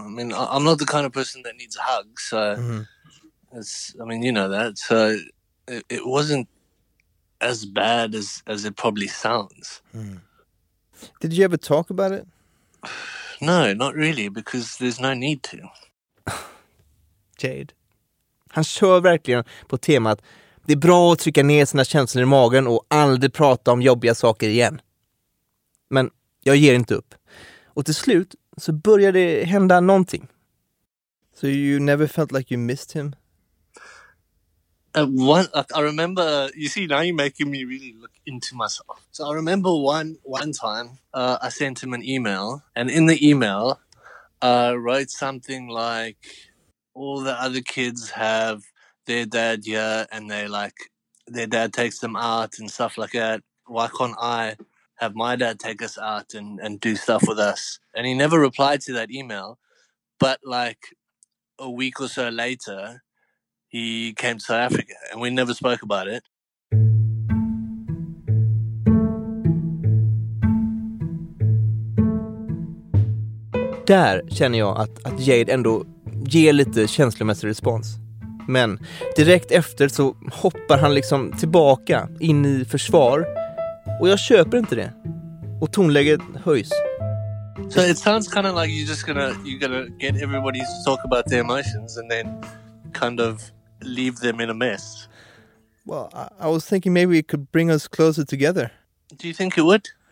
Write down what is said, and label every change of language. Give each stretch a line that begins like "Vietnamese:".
English: I mean, I'm not the kind of person that needs a hug. So, you know that. So it wasn't as bad as it probably sounds. Mm. Did you ever talk about it? No, not really, because there's no need to. Jade.
Swedish: Han kör verkligen på temat det är bra att trycka ner sina känslor i magen och aldrig prata om jobbiga saker igen. Men jag ger inte upp. Och till slut så börjar det hända någonting.
English: So you never felt like you missed him? I remember, you see, now you're making me really look into myself. So I remember one time I sent him an email, and in the email I wrote something like, all the other kids have their dad here, and they like their dad takes them out and stuff like that. Why can't I have my dad take us out and do stuff with us? And he never replied to that email, but like a week or so later, he came to South Africa, and we never spoke about it.
Swedish: Där känner jag att Jade ändå ger lite känslomässig respons. Men direkt efter så hoppar han liksom tillbaka in i försvar. Och jag köper inte det. Och tonläget höjs.
English: So it sounds kind of like you're gonna get everybody to talk about their emotions and then kind of leave them in a mess. Well, I was thinking maybe it could bring us closer together. Do you think it would?